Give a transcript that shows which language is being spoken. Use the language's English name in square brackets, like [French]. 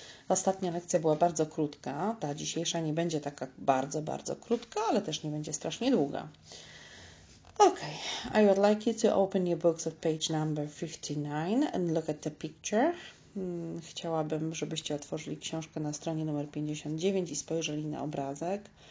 [Polish] Ostatnia lekcja była bardzo krótka. Ta dzisiejsza nie będzie taka bardzo, bardzo krótka, ale też nie będzie strasznie długa. [English] Okay, I would like you to open your books at page number 59 and look at the picture. [Polish] Chciałabym, żebyście otworzyli książkę na stronie numer 59 i spojrzeli na obrazek.